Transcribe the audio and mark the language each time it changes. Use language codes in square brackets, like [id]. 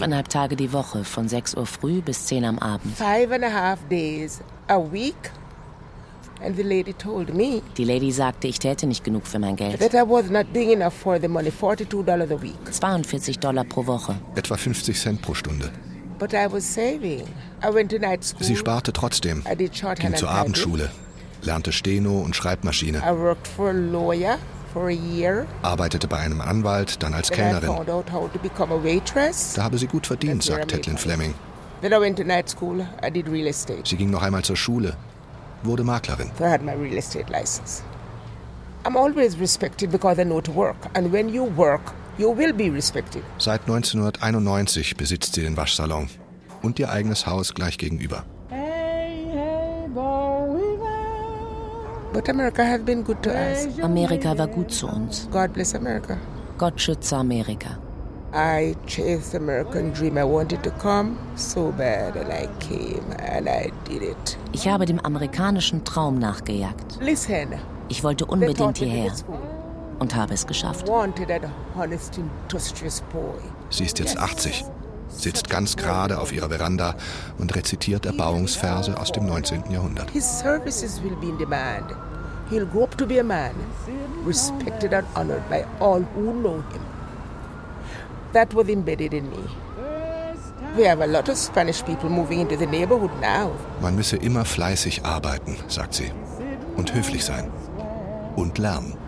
[de] 5,5 Tage die Woche, von 6 Uhr früh bis 10 am Abend. [en] 5,5 days a week. And the lady told me, [de] die Lady sagte, ich täte nicht genug für mein Geld. [en] That I was not doing enough for the money, $42 a week. [de] $42 pro Woche. Etwa 50 Cent pro Stunde. [en] But I was saving. I went to night school. [de] Sie sparte trotzdem. [en] I did shorthand. [de] Ging zur Abendschule. Lernte Steno und Schreibmaschine. [en] I worked for a lawyer for a year. [de] Arbeitete bei einem Anwalt, dann als Kellnerin. [en] Then I found out how to become a waitress. [de] Da habe sie gut verdient, sagt Tetlin Fleming. [en] Then I went to night school. I did real estate. [de] Sie ging noch einmal zur Schule. Wurde Maklerin. [en] So I had my real estate license. I'm always respected because I know to work. And when you work, you will be respected. [de] Seit 1991 besitzt sie den Waschsalon und ihr eigenes Haus gleich gegenüber. [en] Hey, hey, boy, but America has been good to us. [de] Amerika war gut zu uns. [en] God bless America. [de] Gott schütze Amerika. [en] I chased the American dream. I wanted to come so bad, and I came, and I did it. [de] Ich habe dem amerikanischen Traum nachgejagt. [en] Listen. [de] Ich wollte unbedingt hierher und habe es geschafft. [en] Wanted an honest, industrious boy. [de] Sie ist jetzt 80, sitzt ganz gerade auf ihrer Veranda und rezitiert Erbauungsverse aus dem 19. Jahrhundert. [en] His services will be in demand. He'll grow up to be a man, respected and honored by all who know him. That was embedded in me. We have a lot of Spanish people moving into the neighborhood now. [de] Man müsse immer fleißig arbeiten, sagt sie, und höflich sein und lernen.